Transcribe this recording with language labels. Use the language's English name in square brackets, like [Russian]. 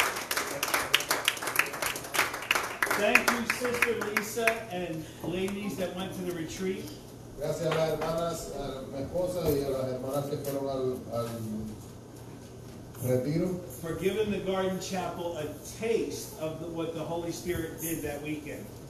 [English] Thank you, Sister Lisa and ladies that went to the retreat. [Spanish] Gracias a las hermanas, a mi esposa y a las hermanas que fueron al retiro. [English] For giving the Garden Chapel a taste of what the Holy Spirit did that weekend.